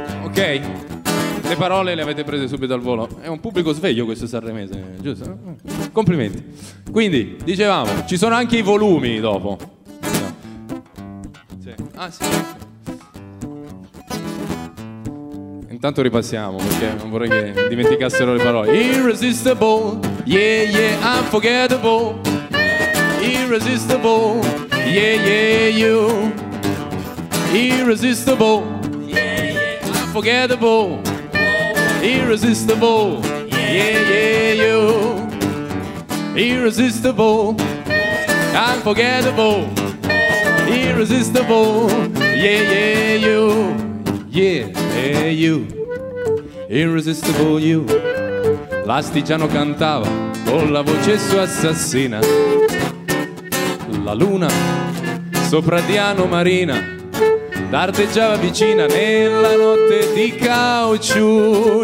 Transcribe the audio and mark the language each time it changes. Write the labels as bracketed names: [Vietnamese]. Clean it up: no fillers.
[Italian] Ok, le parole le avete prese subito al volo. È un pubblico sveglio questo sanremese, giusto? Complimenti. Quindi, dicevamo, ci sono anche i volumi dopo. Sì. Ah sì. Intanto ripassiamo, perché non vorrei che dimenticassero le parole. [English] Irresistible, yeah yeah, unforgettable. Irresistible, yeah yeah you. Irresistible, yeah yeah, unforgettable. Irresistible, yeah yeah you. Irresistible, unforgettable. Irresistible, yeah yeah you. Yeah yeah you. Irresistible you, [Italian] l'astigiano cantava con la voce sua assassina. La luna sopra Diano Marina dardeggiava vicina nella notte di caucciù.